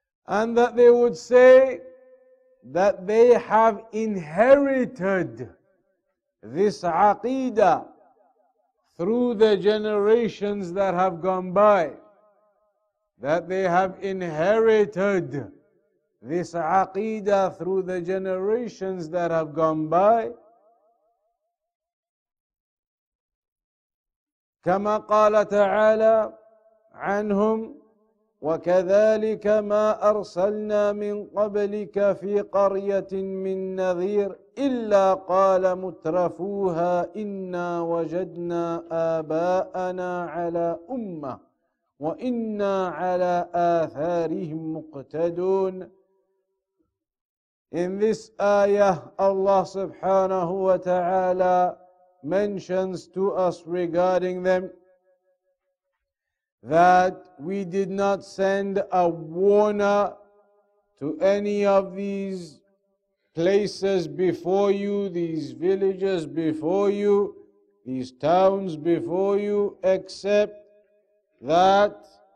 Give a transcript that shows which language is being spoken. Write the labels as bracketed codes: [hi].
[en] And that they would say that they have inherited this aqidah through the generations that have gone by. That they have inherited this aqidah through the generations that have gone by. [ar] كما قال تعالى عنهم وكذلك ما أرسلنا من قبلك في قرية من نذير إلا قال مترفوها إنا وجدنا آباءنا على أمة وإنا على آثارهم مقتدون. [en] In this ayah, Allah subhanahu wa ta'ala mentions to us regarding them that we did not send a warner to any of these places before you, these villages before you, these towns before you, except that